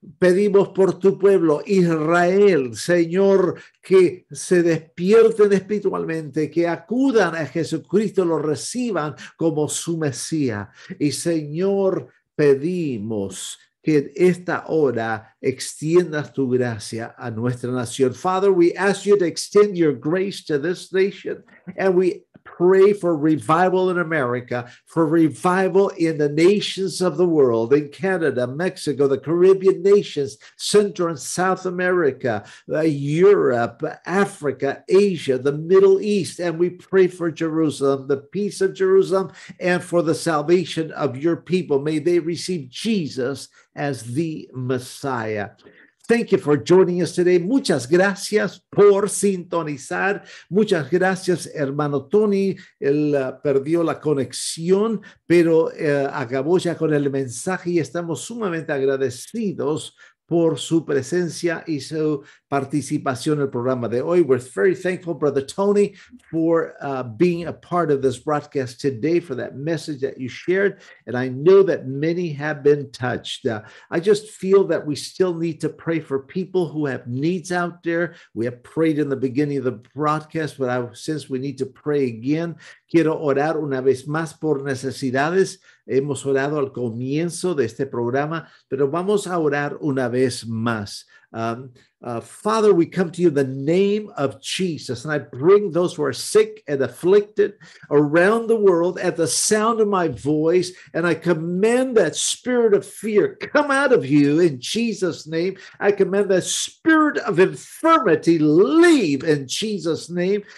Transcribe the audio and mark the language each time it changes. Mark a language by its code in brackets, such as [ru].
[es] Pedimos por tu pueblo Israel, Señor, que se despierten espiritualmente, que acudan a Jesucristo, lo reciban como su Mesías. Y Señor, pedimos que en esta hora extiendas tu gracia a nuestra nación. [en] Father, we ask you to extend your grace to this nation, and we pray for revival in America, for revival in the nations of the world, in Canada, Mexico, the Caribbean nations, Central and South America, Europe, Africa, Asia, the Middle East. And we pray for Jerusalem, the peace of Jerusalem, and for the salvation of your people. May they receive Jesus as the Messiah. Thank you for joining us today. [es] Muchas gracias por sintonizar. Muchas gracias, hermano Tony. Él perdió la conexión, pero acabó ya con el mensaje y estamos sumamente agradecidos por su presencia y su participación en el programa de hoy. [en] We're very thankful, Brother Tony, for being a part of this broadcast today, for that message that you shared. And I know that many have been touched. I just feel that we still need to pray for people who have needs out there. We have prayed in the beginning of the broadcast, but since we need to pray again, [es] quiero orar una vez más por necesidades. Hemos orado al comienzo de este programa, pero vamos a orar una vez más. [en] Father, we come to you in the name of Jesus, and I bring those who are sick and afflicted around the world at the sound of my voice, and I command that spirit of fear come out of you in Jesus' name. I command that spirit of infirmity leave in Jesus' name.